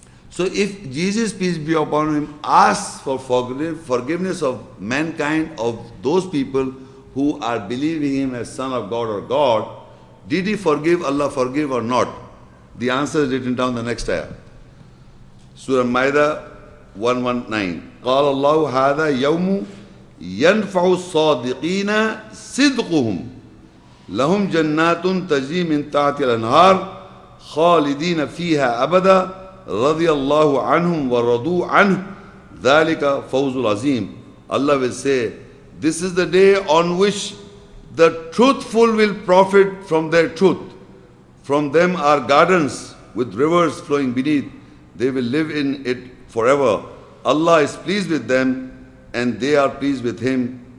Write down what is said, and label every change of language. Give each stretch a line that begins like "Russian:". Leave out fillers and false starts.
English: So if Jesus, peace be upon him, asks for forgiveness of mankind, of those people who are believing him as Son of God or God, did he forgive, Allah forgive or not? The answer is written down the next ayah. Surah Maida 119.
Arabic: قال الله هذا يوم ينفع الصادقين صدقهم لهم جنات تجري من تحت الانهار خالدين فيها ابدا رضي الله عنهم ورضوا عنه ذلك فوز العظيم.
English: Allah will say, this is the day on which the truthful will profit from their truth. From them are gardens with rivers flowing beneath. They will live in it forever. Allah is pleased with them and they are pleased with him.